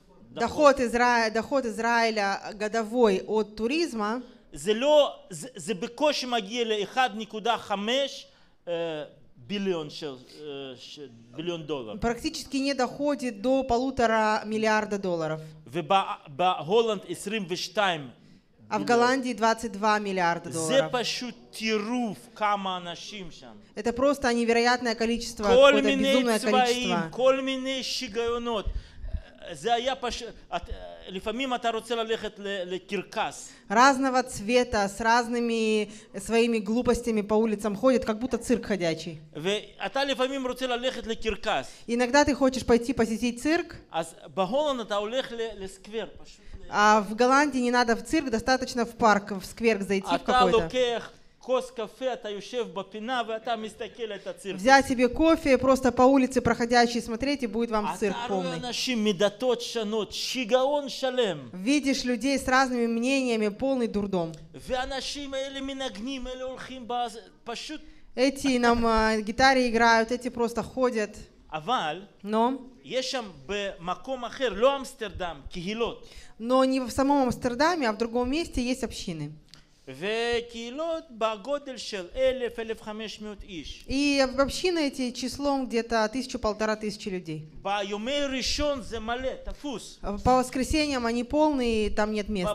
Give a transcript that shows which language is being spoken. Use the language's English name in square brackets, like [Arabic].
[Russian] Доход Израиля годовой от туризма. [Hebrew] זה לא, זה בקושי מגיע ל-1.5 ביליון של, ביליון דולר. [Russian] Практически не доходит до 1.5 миллиарда долларов. [Hebrew] ובהולנד 22 [Russian] миллиарда. А в Голландии 22 миллиарда долларов. [Hebrew] זה פשוט טירוף כמה אנשים שם. [Russian] Это просто невероятное количество, какое-то безумное количество. [Hebrew] כל מיני צבעים, כל מיני שיגיונות. זה היה פשוט... לפעמים אתה רוצה ללכת לקרקס. [Russian] Разного цвета, с разными своими глупостями по улицам ходит, как будто цирк ходячий. [Hebrew] ואתה לפעמים רוצה ללכת לקרקס. [Russian] Иногда ты хочешь пойти посетить цирк. [Hebrew] אז בהולנד אתה הולך לסקוור, פשוט. [Russian] А в Голландии не надо в цирк, достаточно в парк, в сквер зайти в какой-то. [Hebrew] אתה לוקח כוס קפה, אתה יושב בפינה, ואתה מסתכל את הצירק. [Russian] Взять себе кофе, просто по улице проходящий смотреть, и будет вам цирк полный. [Hebrew] אתה רואה אנשים מדתות שונות, שיגעון שלם. [Russian] Видишь людей с разными мнениями, полный дурдом. [Hebrew] ואנשים אלה מנגנים, אלה הולכים באז, פשוט... [Russian] Эти нам гитары играют, эти просто ходят. [Hebrew] אבל... [Russian] Но... [Hebrew] יש שם במקום אחר, לא אמסטרדם, קהילות. [Russian] Но не в самом Амстердаме, а в другом месте есть общины. [Hebrew] וקהילות בגודל של 1,000-1,500 איש. [Russian] И общины эти числом где-то 1000-1500 людей. [Hebrew] ביומי ראשון זה מלא, תפוס. [Russian] По воскресеньям они полные, там нет места.